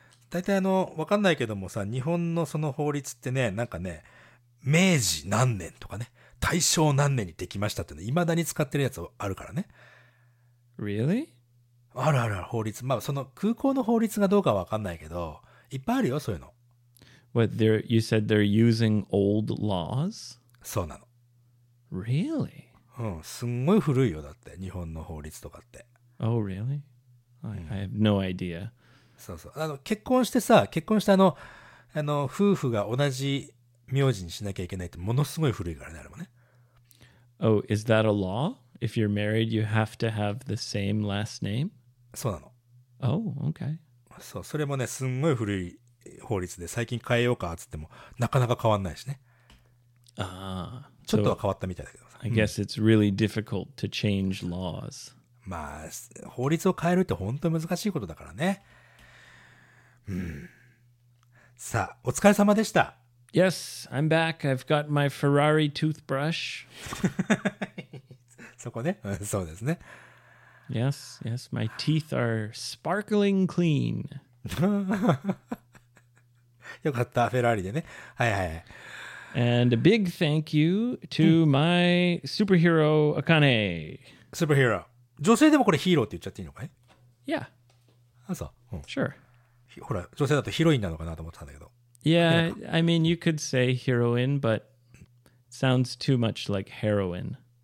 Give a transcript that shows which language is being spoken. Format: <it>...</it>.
<ja>だいたいわかんないけどもさ、日本のその法律ってね、なんかね、明治何年とかね、大正何年にできましたっていまだに使ってるやつあるからね。</ja> <en>Really?</en> <ja>あるあるある法律、まあその空港の法律がどうかは分かんないけど、いっぱいあるよそういうの。</ja> <en>What they're you said they're using old laws?</en> <ja>そうなの。</ja> <en>Really?</en> <ja>うん、すんごい古いよだって日本の法律とかって。</ja> <en>Oh really? I have no idea.</en> <ja>そうそう、結婚してさ、結婚した夫婦が同じ名字にしなきゃいけないってものすごい古いからね、あれもね。</ja> <en>Oh, is that a law? If you're married, you have to have the same last name?</en> <ja>そうなの。</ja> <en>Oh, okay.</en> <ja>そう、それもね、すんごい古い法律で、最近変えようかって言っても、なかなか変わんないしね。ああ。ちょっとは変わったみたいだけどさ。</ja> <en>I guess it's really difficult to change laws.</en> <ja>まあ、法律を変えるって本当に難しいことだからね。うん。さあ、お疲れ様でした。</ja> <en>Yes, I'm back. I've got my Ferrari toothbrush.</en> <ja>そこね、そうですね。</ja> <en>Yes, yes, my teeth are sparkling clean.</en> <ja>よかった、フェラーリでね。はいはい。</ja> <en>And a big thank you to my superhero, Akane. Superhero.</en> <ja>女性でもこれヒーローって言っちゃっていいのかい</ja> <en>?Yeah.</en> <ja>あ、そう。う</ja> <en>ん、sure.</en> <ja>ほら、女性だとヒロインなのかなと思ったんだけど。</ja> <en>Yeah, I mean, you could say heroine, but sounds too much like heroin.</en>